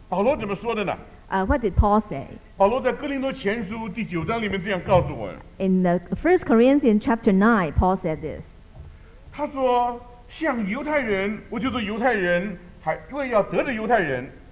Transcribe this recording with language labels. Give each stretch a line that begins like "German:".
Chinese: 保罗怎么说的呢？
English: What did Paul say?
Chinese: 保罗在哥林多前书第九章里面这样告诉我。
English: In the First Corinthians chapter 9, Paul said this.
Chinese: 他说，像犹太人，我就是犹太人，还因为要得着犹太人。